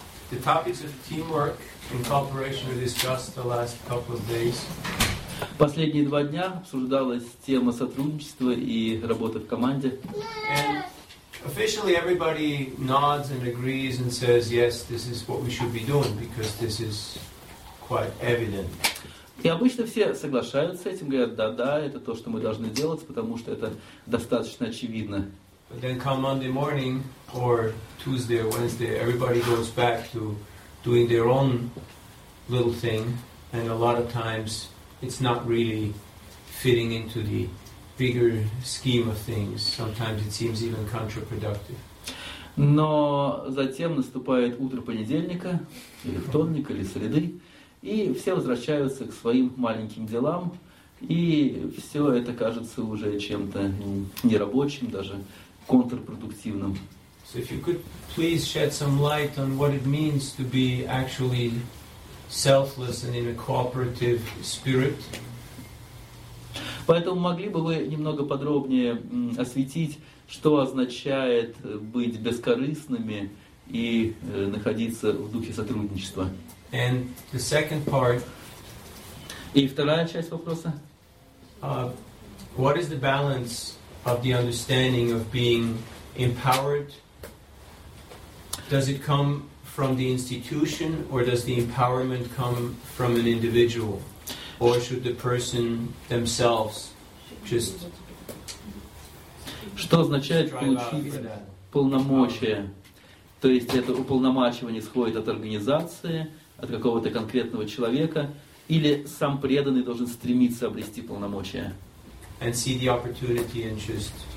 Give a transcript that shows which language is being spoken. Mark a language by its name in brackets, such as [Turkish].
[English] The topics of teamwork and cooperation we discussed the last couple of days. [Russian] Последние два дня обсуждалась тема сотрудничества и работы в команде. [English] And officially everybody nods and agrees and says, yes, this is what we should be doing, because this is quite evident. [Russian] И обычно все соглашаются с этим, говорят, да-да, это то, что мы должны делать, потому что это достаточно очевидно. [English] But then come Monday morning, or Tuesday or Wednesday, everybody goes back to doing their own little thing, and a lot of times it's not really fitting into the bigger scheme of things. Sometimes it seems even counterproductive. [Russian] Но затем наступает утро понедельника, или вторника, или среды, и все возвращаются к своим маленьким делам, и все это кажется уже чем-то нерабочим, даже контрпродуктивным. [English] So if you could please shed some light on what it means to be actually selfless and in a cooperative spirit. [Russian] Поэтому могли бы вы немного подробнее осветить, что означает быть бескорыстными и находиться в духе сотрудничества? [English] And the second part. [Russian] И вторая часть вопроса. [English] What is the balance of the understanding of being empowered? Does it come from the institution, or does the empowerment come from an individual, or should the person themselves just? [Russian] Что означает получить полномочия? То есть это уполномочивание исходит от организации? От какого-то конкретного человека, или сам преданный должен стремиться обрести полномочия. [English] And see the opportunity and just...